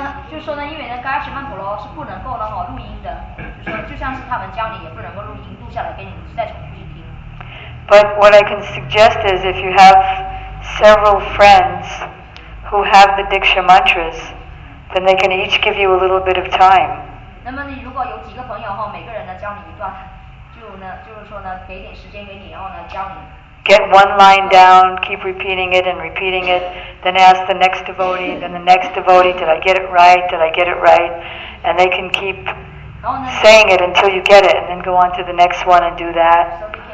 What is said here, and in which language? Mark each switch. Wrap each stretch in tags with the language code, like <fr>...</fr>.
<zh>就说呢，因为呢，该什曼陀罗是不能够了哈录音的，就说就像是他们教你，也不能够录音录下来给你再重复去听。</zh> <en>But what I can suggest is if you have several friends who have the Diksha mantras, then they can each give you a little bit of time.</en> <zh>那么你如果有几个朋友哈，每个人呢教你一段，就是说呢，给点时间给你，然后呢教你。</zh> <en>Get one line down, keep repeating it and repeating it, then ask the next devotee, then the next devotee, did I get it right, did I get it right? And they can keep saying it until you get it, and then go on to the next one and do that.</en>